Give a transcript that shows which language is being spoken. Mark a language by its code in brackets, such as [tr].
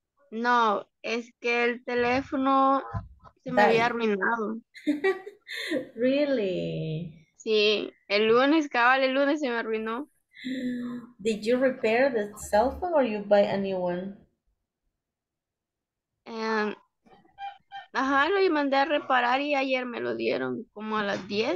[es] No, es que el teléfono se me había [en] Died. [es] arruinado. [en] Really? [es] Sí, el lunes, cabal, el lunes se me arruinó. [en] Did you repair the cell phone or you buy a new one? [es] Ajá, lo mandé a reparar y ayer me lo dieron como a las 10.